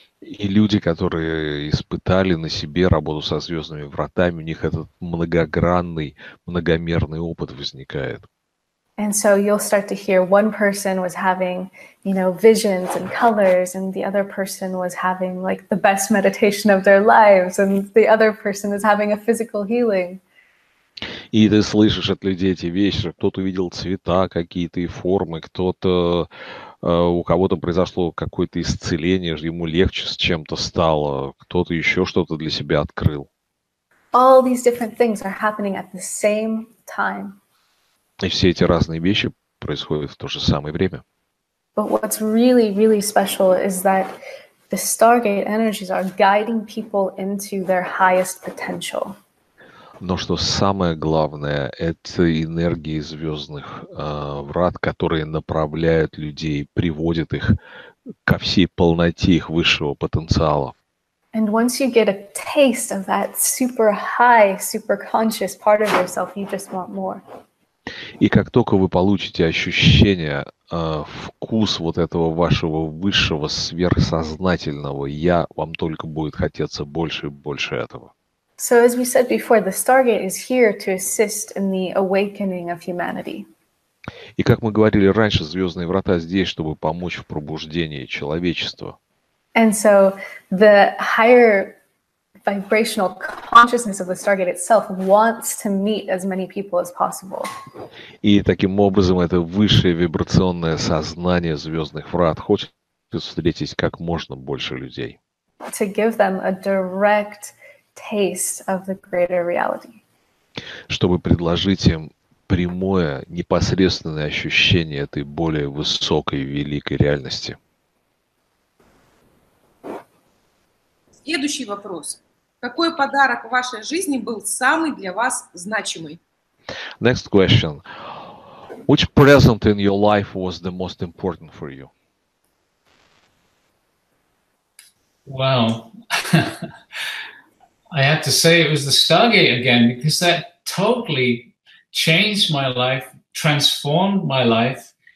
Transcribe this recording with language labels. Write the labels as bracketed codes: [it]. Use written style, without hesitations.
[ru] И люди, которые испытали на себе работу со звездными вратами, у них этот многогранный, многомерный опыт возникает. [en] And so you'll start to hear one person was having, visions and colors, and the other person was having like the best meditation of their lives, and the other person is having a physical healing. [ru] И ты слышишь от людей эти вещи, что кто-то увидел цвета какие-то и формы, кто-то у кого-то произошло какое-то исцеление, ему легче с чем-то стало, кто-то еще что-то для себя открыл. [en] All these different things are happening at the same time. [ru] И все эти разные вещи происходят в то же самое время. [en] But what's really, really special is that the Stargate energies are guiding people into their highest potential. [ru] Но что самое главное, это энергии звездных врат, которые направляют людей, приводят их ко всей полноте их высшего потенциала. [en] And once you get a taste of that super high, super conscious part of yourself, you just want more. [ru] И как только вы получите ощущение, вкус вот этого вашего высшего сверхсознательного «я», вам только будет хотеться больше и больше этого. [en] So as we said before, the Stargate is here to assist in the awakening of humanity. [ru] И как мы говорили раньше, звездные врата здесь, чтобы помочь в пробуждении человечества. [en] And so the higher vibrational consciousness of the Stargate itself wants to meet as many people as possible. [ru] И таким образом это высшее вибрационное сознание звездных врат хочет встретить как можно больше людей. [en] To give them a direct taste of the greater reality. [ru] Чтобы предложить им прямое, непосредственное ощущение этой более высокой, великой реальности. Следующий вопрос. Какой подарок в вашей жизни был самый для вас значимый? [en] Next question. Which present in your life was the most important for you? Well, I have to say it was the Stargate again, because that totally changed my life, transformed my life.